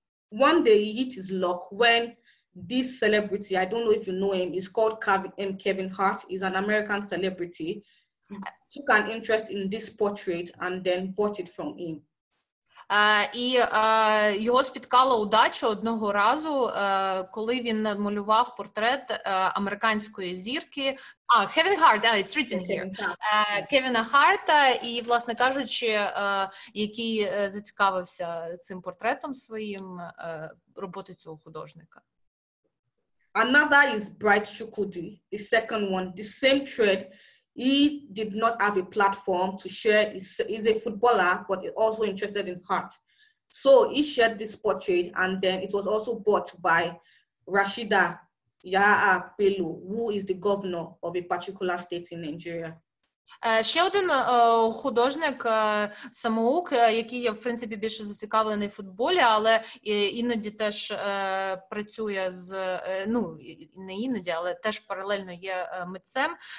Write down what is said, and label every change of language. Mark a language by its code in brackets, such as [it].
[en] One day he hit his luck when this celebrity, I don't know if you know him, he's called Kevin Hart, he's an American celebrity, took an interest in this portrait and then bought it from him. [uk] Його спіткала удача одного разу, коли він намалював портрет американської зірки. [en] Kevin Hart, it's written here. [uk] Kevin Hart, і, власне кажучи, який зацікавився цим портретом своїм, роботи цього художника. [en] Another is Bright Chukwudi, the second one, the same trade. He did not have a platform to share. He's a footballer, but also interested in art. So he shared this portrait, and then it was also bought by Rashida Yaha Pelu, who is the governor of a particular state in Nigeria. [uk] Ще один художник, самоук, який є, в принципі, більше зацікавлений в футболі, але іноді теж працює з, ну, не іноді, але теж паралельно є митцем.